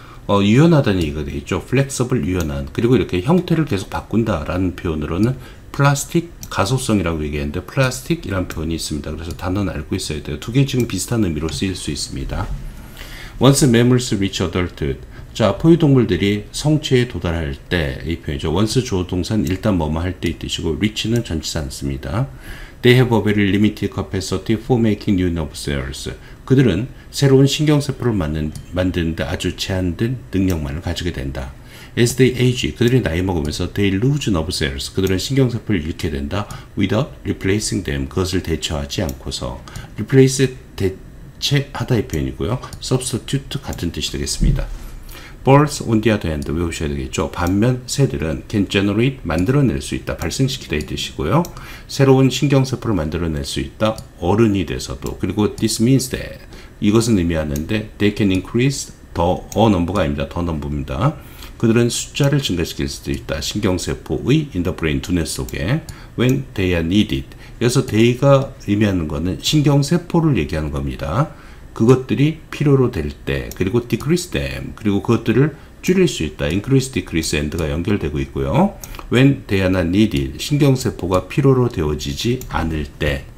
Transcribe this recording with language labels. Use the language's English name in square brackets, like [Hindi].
[Korean] 유연하다는 얘기가 되겠죠. flexible 유연한. 그리고 이렇게 형태를 계속 바꾼다라는 표현으로는 플라스틱 가속성이라고 얘기했는데 플라스틱이란 표현이 있습니다. 그래서 단어는 알고 있어야 돼요. 두 개 지금 비슷한 의미로 쓰일 수 있습니다. [English] Once mammals reach adulthood. [Korean] 자, 포유동물들이 성체에 도달할 때 이 표현이죠. Once 조동사는 일단 뭐뭐 할 때 이 뜻이고 reach는 전치사 않습니다. [English] They have a very limited capacity for making new nerve cells. [Korean] 그들은 새로운 신경세포를 만드는데 아주 제한된 능력만을 가지게 된다. [English] As they age, [Korean] 그들이 나이 먹으면서 [English] they lose nerve cells. [Korean] 그들은 신경세포를 잃게 된다. [English] Without replacing them, [Korean] 그것을 대처하지 않고서. Replace, 대체하다의 표현이고요. Substitute 같은 뜻이 되겠습니다. [English] Birds on the other hand, [Korean] 외우셔야 되겠죠. 반면 새들은 [English] can generate, [Korean] 만들어낼 수 있다. 발생시키다의 뜻이고요. 새로운 신경세포를 만들어낼 수 있다. 어른이 돼서도. [English] 그리고 this means that, [Korean] 이것은 의미하는데 [English] they can increase the number가 아닙니다. the number입니다. [Korean] 그들은 숫자를 증가시킬 수도 있다. 신경세포의 [English] in the brain, [Korean] 두뇌 속에 [English] when they are needed. [Korean] 여기서 they가 의미하는 것은 신경세포를 얘기하는 겁니다. 그것들이 필요로 될 때, 그리고 [English] decrease them, [Korean] 그리고 그것들을 줄일 수 있다. [English] increase, decrease, and가 연결되고 있고요. when they are not needed, [Korean] 신경세포가 필요로 되어지지 않을 때.